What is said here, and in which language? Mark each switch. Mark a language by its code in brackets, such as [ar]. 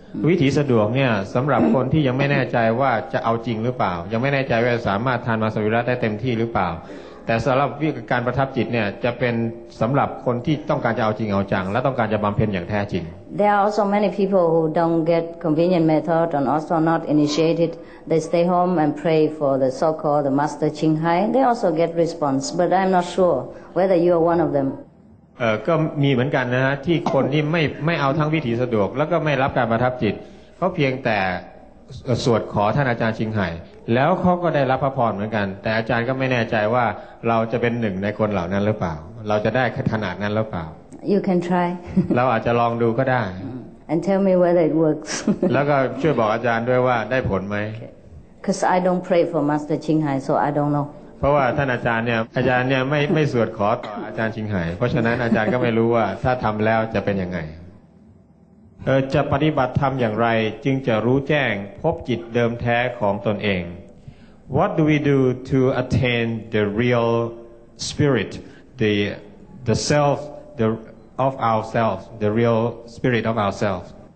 [th] วิธีสะดวกเนี่ยสำหรับคนที่ยังไม่แน่ใจว่าจะเอาจริงหรือเปล่ายังไม่แน่ใจว่าสามารถทานมังสวิรัติได้เต็มที่หรือเปล่าแต่สำหรับวิธีการประทับจิตเนี่ยจะเป็นสำหรับคนที่ต้องการจะเอาจริงเอาจังและต้องการจะบำเพ็ญอย่างแท้จริง [en] There are also many people who don't get convenient method and also not initiated. They stay home and pray for the so-called the Master Ching Hai. They also get response, but I'm not sure whether you are one of them. [th] ก็มีเหมือนกันนะฮะที่คนที่ไม่เอาทั้งวิธีสะดวกแล้วก็ไม่รับการประทับจิตเขาเพียงแต่็สวดขอท่านอาจารย์ชิงไห่แล้วเขาก็ได้รับพระพรเหมือนกันแต่อาจารย์ก็ไม่แน่ใจว่าเราจะเป็นหนึ่งในคนเหล่านั้นหรือเปล่าเราจะได้ขนาดนั้นหรือเปล่า [en] You can try [th] เราอาจจะลองดูก็ได้ [en] And tell me whether it works [th] แล้วก็ช่วยบอกอาจารย์ด้วยว่าได้ผลไหม [en] Because I don't pray for Master Ching Hai so I don't know [th] เพราะว่าท่านอาจารย์เนี่ยไม่สวดขอต่ออาจารย์ชิงไห่เพราะฉะนั้นอาจารย์ก็ไม่รู้ว่าถ้าทำแล้วจะเป็นยังไงจะปฏิบัติธรรมอย่างไรจึงจะรู้แจ้งพบจิตเดิมแท้ของตนเอง [en] What do we do to attain the real spirit the self the of ourselves [th] the real spirit of ourselves